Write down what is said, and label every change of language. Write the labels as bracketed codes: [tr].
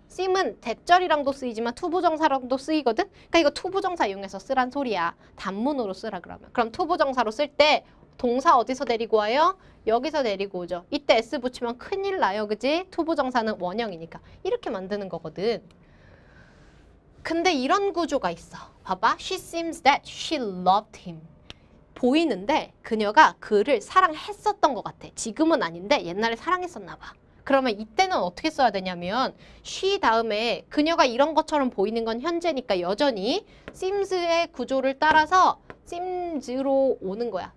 [ko] seem은 대절이랑도 쓰이지만 to 부정사랑도 쓰이거든? 그러니까 이거 to 부정사 이용해서 쓰란 소리야. 단문으로 쓰라 그러면. 그럼 to 부정사로 쓸때 동사 어디서 데리고 와요? 여기서 데리고 오죠. 이때 s 붙이면 큰일 나요. 그지? to 부정사는 원형이니까. 이렇게 만드는 거거든. 근데 이런 구조가 있어. 봐봐. [en] She seems that she loved him. [ko] 보이는데 그녀가 그를 사랑했었던 것 같아. 지금은 아닌데 옛날에 사랑했었나 봐. 그러면 이때는 어떻게 써야 되냐면 she 다음에 그녀가 이런 것처럼 보이는 건 현재니까 여전히 seems의 구조를 따라서 seems로 오는 거야.